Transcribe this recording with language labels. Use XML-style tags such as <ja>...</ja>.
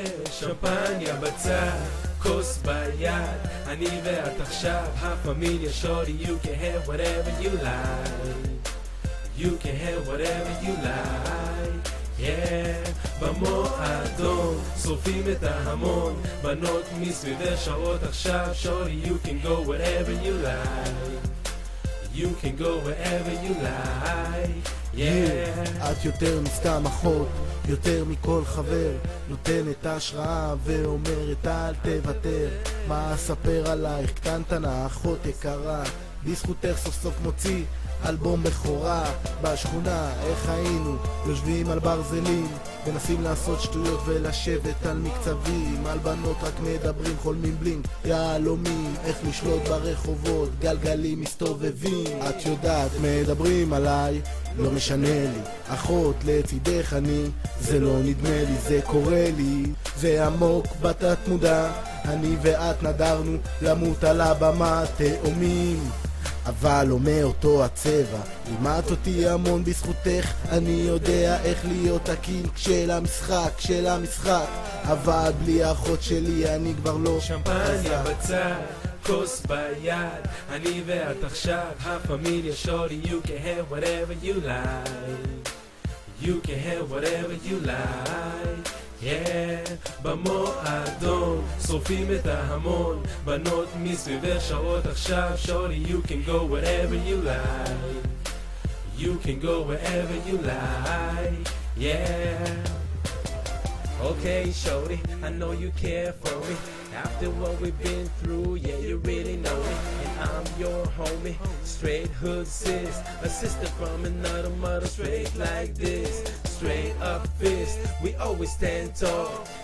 <he>שמפניה בצד, כוס ביד, אני ואת עכשיו הפמיליה שורי.</he> <en>You can have whatever you like, you can have whatever you like, yeah.</en> <he>במועדון שורפים את ההמון, בנות מסביבי שעות עכשיו שורי.</he> <en>You can go wherever you like, you can go wherever you like, yeah.</en> <he>את יותר מסתם אחות, יותר מכל חבר, נותן את ההשראה ואומרת אל תוותר. מה אספר עלייך, קטנטנה אחות יקרה, בזכותך סוף סוף מוציא אלבום בכורה. בשכונה איך היינו יושבים על ברזלים, מנסים לעשות שטויות ולשבת על מקצבים, על בנות רק מדברים, חולמים בלינג יעלומים, איך לשלוט ברחובות, גלגלים מסתובבים. את יודעת מדברים עליי, לא משנה לי, אחות לצידך אני, זה לא נדמה לי, זה קורה לי, זה עמוק בתת מודע, אני ואת נדרנו למות על הבמה, תאומים אבל לא מאותו הצבע. לימדת אותי המון בזכותך, אני יודע איך להיות תקין של המשחק, של המשחק, אבל בלי האחות שלי אני כבר לא שמפניה בצד, כוס ביד, אני ואת עכשיו הפמיליה שורי.</he> <en>You can have whatever you like, you can have whatever you like, yeah.</en> <he>במועדון שורפים את ההמון, בנות מסביבי שעות עכשיו שורי.</he> <en>You can go wherever you like, you can go wherever you like, yeah. Okay, shorty, I know you care for me. After what we've been through, yeah, you really know me. And I'm your homie, straight hood sis, a sister from another mother, straight like this, straight up fist, we always stand tall.</en>